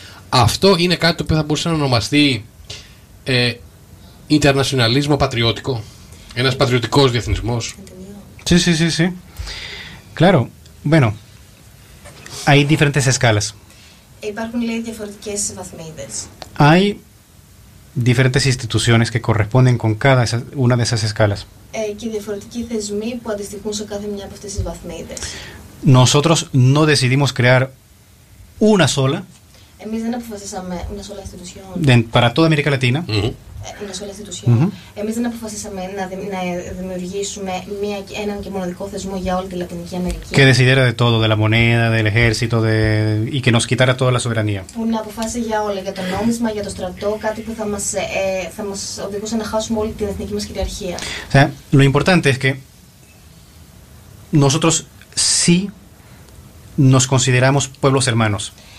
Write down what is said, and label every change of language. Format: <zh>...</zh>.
<el>Αυτό είναι κάτι το οποίο θα μπορούσε να ονομαστεί internacionalismo πατριώτικο, ένας πατριωτικός διεθνισμός.</el> <es>Sí, sí, sí, sí. Claro, bueno, hay diferentes escalas.</es> <el>Υπάρχουν λέει διαφορετικές βαθμίδες.</el> <es>Hay diferentes instituciones que corresponden con cada una de esas escalas.</es> <el>Και διαφορετικοί θεσμοί που αντιστοιχούν σε κάθε μια από αυτές τις βαθμίδες.</el> <es>Nosotros no decidimos crear una sola.</es> <el>Εμείς δεν αποφασίσαμε μια σόλα institución.</el> <es>Para toda América Latina.</es> <el>Μια σόλα institución. Mm-hmm. Εμείς δεν αποφασίσαμε να δημιουργήσουμε έναν και μοναδικό θεσμό για όλη τη Λατινική Αμερική.</el> <es>Que decidiera de todo, de la moneda, del ejército, y que nos quitara toda la soberanía.</es> <el>Που να αποφάσει για όλα, για το νόμισμα, για το στρατό, κάτι που θα μας οδηγούσε να χάσουμε όλη την εθνική μας κυριαρχία.</el> <es>O sea, lo importante es que nosotros sí nos consideramos pueblos hermanos.</es>